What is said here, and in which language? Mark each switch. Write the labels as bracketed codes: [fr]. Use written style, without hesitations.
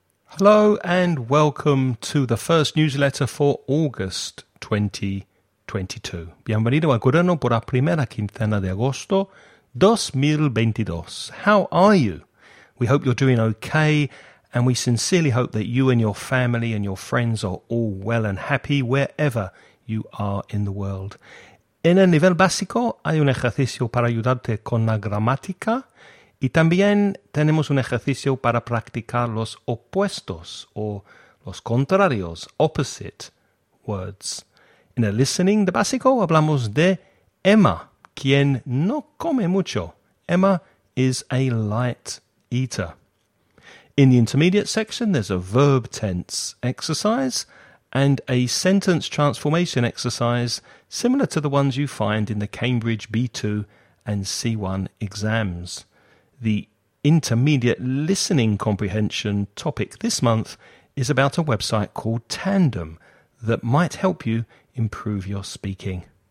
[en] Hello and welcome to the first newsletter for August 2022. [es] Bienvenido al Correo por la primera quincena de agosto 2022. [en] How are you? We hope you're doing okay, and we sincerely hope that you and your family and your friends are all well and happy wherever you are in the world. [es] En el nivel básico hay un ejercicio para ayudarte con la gramática. Y también tenemos un ejercicio para practicar los opuestos o los contrarios, [en] opposite words. [es] En el listening de básico hablamos de Emma, quien no come mucho. [en] Emma is a light eater. In the intermediate section, there's a verb tense exercise and a sentence transformation exercise similar to the ones you find in the Cambridge B2 and C1 exams. The intermediate listening comprehension topic this month is about a website called Tandem that might help you improve your speaking.